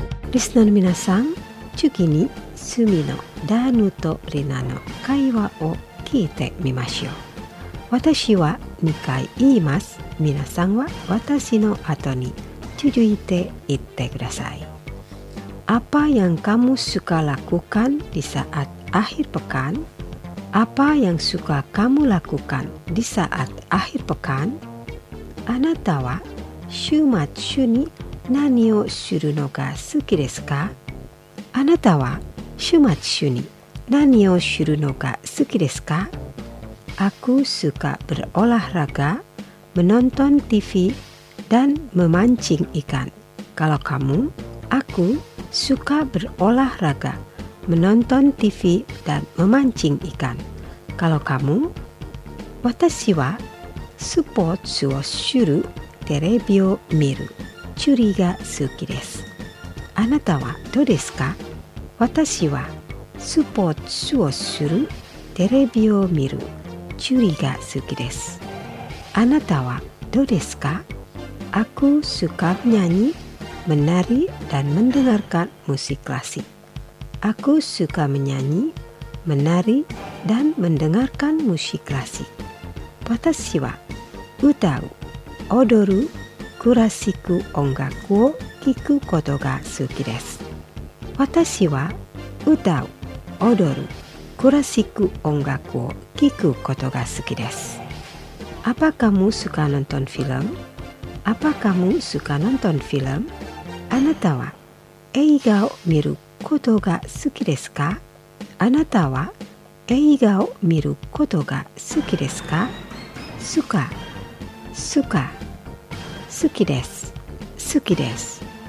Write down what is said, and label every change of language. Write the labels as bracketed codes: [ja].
[ja] リスナーの皆さん、次にスミのダーヌとリナの会話を聞いてみましょう。私は2回言います。皆さんは私の後に続いて言ってください。 [id] Apa yang kamu suka lakukan di saat akhir pekan? Apa yang suka kamu lakukan di saat akhir pekan? [ja] あなたは週末週に何をするのが好きですか？あなたは週末週に何をするのが好きですか？ [id] Aku suka berolahraga, menonton TV, dan memancing ikan. Kalau kamu, aku suka berolahraga, menonton TV, dan memancing ikan. Kalau kamu, [ja] 私はスポーツをするテレビを見る。釣りが好きです。あなたはどうですか？私はスポーツをするテレビを見る釣りが好きです。あなたはどうですか？ [id] Aku suka menyanyi, menari, dan mendengarkan musik klasik. Aku suka menyanyi, menari, dan mendengarkan musik klasik. [ja] 私は歌う、踊る、クラシック音楽を聞くことが好きです。私は歌う、踊る、クラシック音楽を聞くことが好きです。 [id] Apa kamu suka nonton film? Apa kamu suka nonton film? [ja] あなたは映画を見ることが好きですか？あなたは映画を見ることが好きですか？スカ、スカ、好きです。好きです。